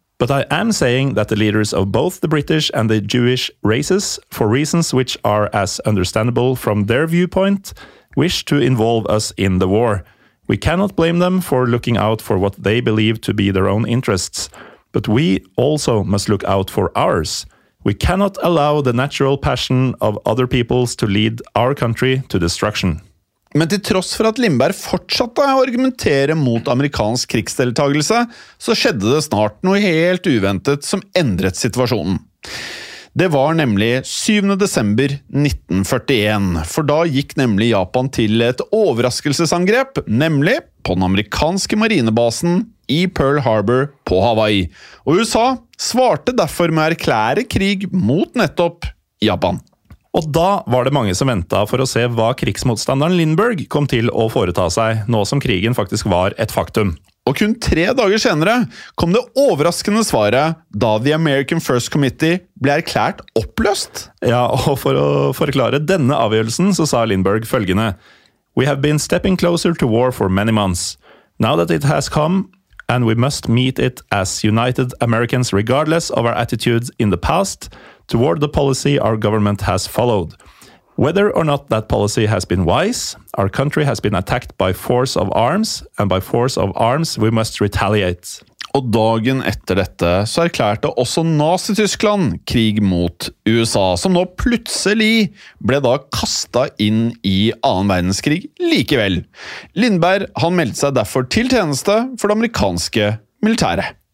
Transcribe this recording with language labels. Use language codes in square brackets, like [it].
[en] But I am saying that the leaders of both the British and the Jewish races, for reasons which are as understandable from their viewpoint, wish to involve us in the war. We cannot blame them for looking out for what they believe to be their own interests. But we also must look out for ours. We cannot allow the natural passion of other peoples to lead our country to destruction. [no] Men til tross for at Lindbergh fortsatte å argumentere mot amerikansk krigsdeltagelse, så skjedde det snart noe helt uventet som endret situasjonen. Det var nemlig 7. desember 1941, for da gikk nemlig Japan til et overraskelsesangrep, nemlig på den amerikanske marinebasen i Pearl Harbor på Hawaii. Og USA svarte derfor med å erklære krig mot nettopp Japan. Og da var det mange som ventet for å se hva krigsmotstanderen Lindbergh kom til å foreta seg, nå som krigen faktisk var et faktum. Og kun 3 dager senere kom det overraskende svaret da The American First Committee ble erklært oppløst. Ja, og for å forklare denne avgjørelsen så sa Lindbergh følgende: [en] We have been stepping closer to war for many months. Now that it has come, and we must meet it as united Americans regardless of our attitudes in the past, toward the policy our government has followed. Whether or not that policy has been wise, our country has been attacked by force of arms, and by force of arms we must retaliate. [no] Og dagen etter dette så erklærte også Nazi-Tyskland krig mot USA, som nå plutselig ble da kastet inn i 2. verdenskrig likevel. Lindbergh, han meldte seg derfor til tjeneste for det amerikanske militæret.